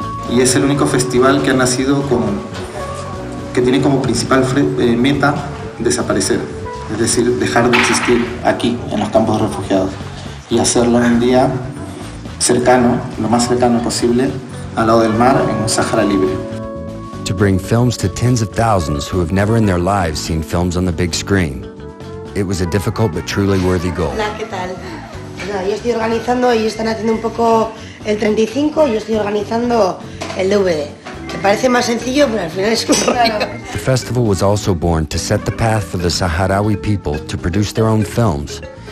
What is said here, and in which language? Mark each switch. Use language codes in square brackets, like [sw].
[es] Y es el único festival que ha nacido que tiene como principal meta desaparecer, es decir, dejar de existir aquí, en los campos de refugiados, y hacerlo en un día cercano, lo más cercano posible, al lado del mar, en un Sahara libre. [en] To bring films to tens of thousands who have never in their lives seen films on the big screen. It was a difficult but truly worthy goal. [es] Hola, ¿qué tal? Yo estoy organizando y están haciendo un poco el 35, yo estoy organizando el DVD. Me parece más sencillo, pero al final es un rollo. [en] The festival was also born to set the path for the Sahrawi people to produce their own films.